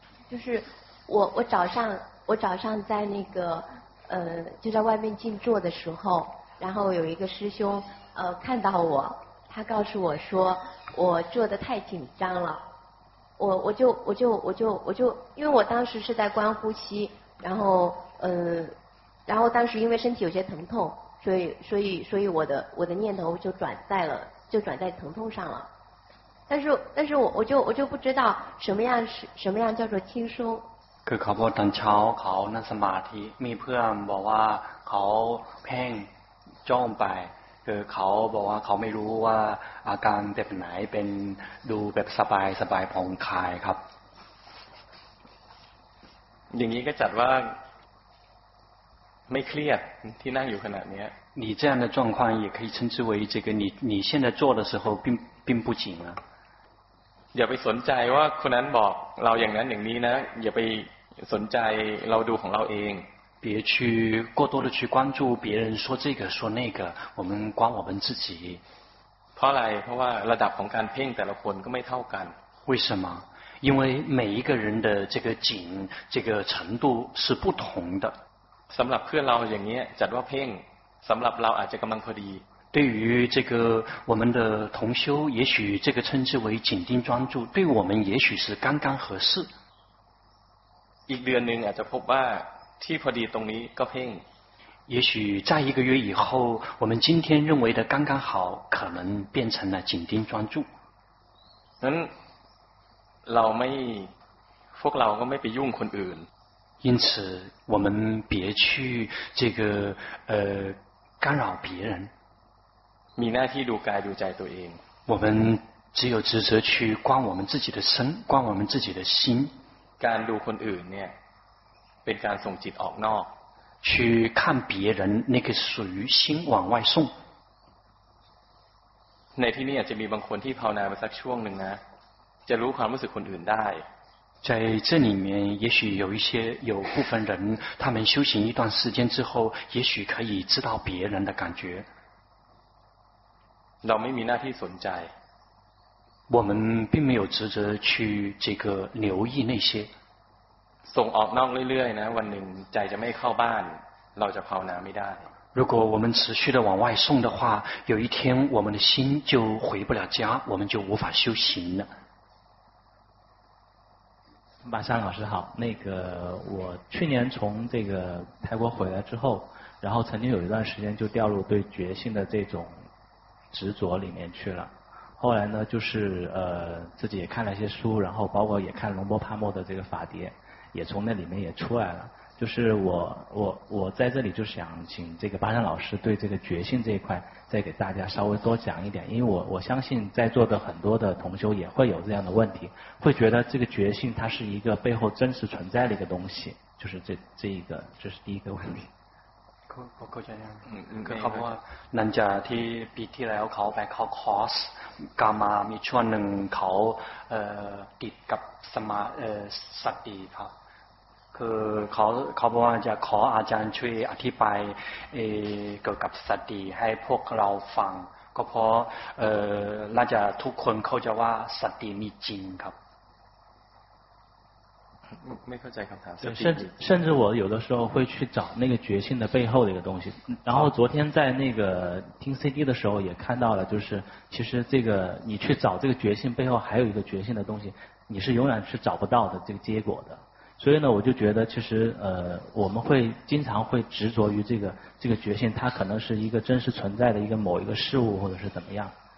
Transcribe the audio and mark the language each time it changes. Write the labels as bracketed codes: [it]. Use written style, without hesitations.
[zh] 就是我早上在那个就在外面静坐的时候，然后有一个师兄看到我，他告诉我说我坐得太紧张了，我就因为我当时是在观呼吸，然后当时因为身体有些疼痛，所以我的念头就转在疼痛上了。但是我就不知道什么样叫做轻松。 [th] คือเขาบอกตอนเช้าเขานั่งสมาธิมีเพื่อนบอกว่าเขาเพ่งจ้องไปคือเขาบอกว่าเขาไม่รู้ว่าอาการแบบไหนเป็นดูแบบสบายสบายผ่อนคลายครับ อย่างนี้ก็จัดว่าไม่เครียดที่นั่งอยู่ขนาดนี้ [zh] 你这样的状况也可以称之为这个你现在做的时候并不紧了。 [th] อย่าไปสนใจว่าคนนั้นบอกเราอย่างนั้นอย่างนี้นะอย่าไปสนใจเราดูของเราเอง [zh] 别去过多的去关注别人说这个说那个我们管我们自己 [th] เพราะอะไรเพราะว่าระดับของการเพ่งแต่ละคนก็ไม่เท่ากัน [zh] 为什么因为每一个人的这个紧这个程度是不同的 [th] สำหรับเพื่อนเราอย่างนี้จัดว่าเพ่งสำหรับเราอาจจะกำลังพอดี [zh] 对于这个我们的同修，也许这个称之为紧盯专注，对我们也许是刚刚合适。一个月呢，就 [th] พบว่าที่พอดีตรงนี้ก็เพ่ง。 [zh] 也许在一个月以后，我们今天认为的刚刚好，可能变成了紧盯专注。 [th] นั้นเราไม่พวกเราก็ไม่ไปยุ่งคนอื่น。 [zh] 因此，我们别去这个干扰别人。 [th] มีหน้าที่ดูกายดูใจตัวเอง [zh] 我们只有职责去观我们自己的身观我们自己的心 [th] การดูคนอื่นเนี่ยเป็นการส่งจิตออกนอก [zh] 去看别人那个属于心往外送 [th] ในที่นี้อาจจะมีบางคนที่ภาวนามาสักช่วงหนึ่งนะจะรู้ความรู้สึกคนอื่นได้ [zh] 在这里面也许有部分人他们修行一段时间之后也许可以知道别人的感觉 [th] เราไม่มีหน้าที่สนใจ [zh] 我们并没有职责去这个留意那些 [th] ส่งออกนอกเรื่อยๆนะวันหนึ่งใจจะไม่เข้าบ้านเราจะภาวนาไม่ได้ [zh] 如果我们持续的往外送的话有一天我们的心就回不了家我们就无法修行了马山老师好那个我去年从这个泰国回来之后然后曾经有一段时间就掉入对觉性的这种执着里面去了后来呢就是自己也看了一些书然后包括也看龙波帕默的这个法碟也从那里面也出来了就是我在这里就想请这个巴山老师对这个觉性这一块再给大家稍微多讲一点因为我相信在座的很多的同修也会有这样的问题会觉得这个觉性它是一个背后真实存在的一个东西就是这一个这是第一个问题 [th] ก็จะยังเขาบอกว่านั่นจะที่ปีที่แล้วเขาไปเข้าคอร์สกามามีช่วงหนึ่งเขาติดกับสมาสติครับคือเขาบอกว่าจะขออาจารย์ช่วยอธิบายเกี่ยวกับสติให้พวกเราฟังก็เพราะน่าจะทุกคนเข้าใจว่าสติมีจริงครับ [zh] 没看见刚才甚至我有的时候会去找那个觉性的背后的一个东西然后昨天在那个听 CD 的时候也看到了就是其实这个你去找这个觉性背后还有一个觉性的东西你是永远是找不到的这个结果的所以呢我就觉得其实我们会经常会执着于这个觉性它可能是一个真实存在的一个某一个事物或者是怎么样